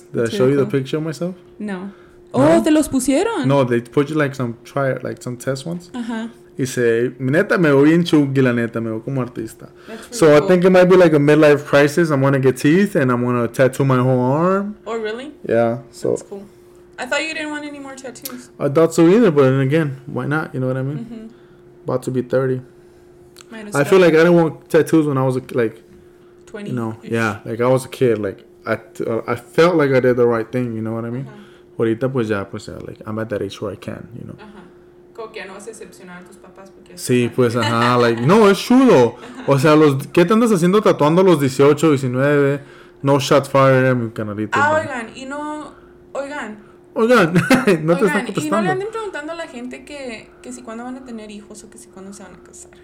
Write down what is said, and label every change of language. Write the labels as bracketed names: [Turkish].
[English] Did That's I show really you cool. the picture of myself? [Spanish] No. Oh, ¿te los pusieron? [English] No, they put you like some test ones. Uh-huh. [Spanish] Y se, neta, me veo bien chuggy, la neta, me veo como artista. [English] That's so cool. I think it might be like a midlife crisis. I'm gonna get teeth and I'm gonna tattoo my whole arm. Oh, really? Yeah, so. That's cool. I thought you didn't want any more tattoos. I thought so either, but then again, why not? You know what I mean? Mm-hmm. About to be 30. Might I feel like I didn't want tattoos when I was like... 20. You know, yeah, like I was a kid. Like I felt like I did the right thing, you know what I mean? Uh-huh. [Spanish] Ahorita, pues ya, pues ya, [English] like, I'm at that age where I can, you know. Ajá. [Spanish] Como que ya no vas a decepcionar a tus papás porque... Sí, pues, ajá, like, no, es chulo. O sea, ¿qué te andas haciendo tatuando a los 18, 19? [English] No shot fire [Spanish] en mi canalito. Ah, [English] man. [Spanish] Oigan, ¿y no le anden preguntando a la gente que si cuándo van a tener hijos o que si cuándo se van a casar?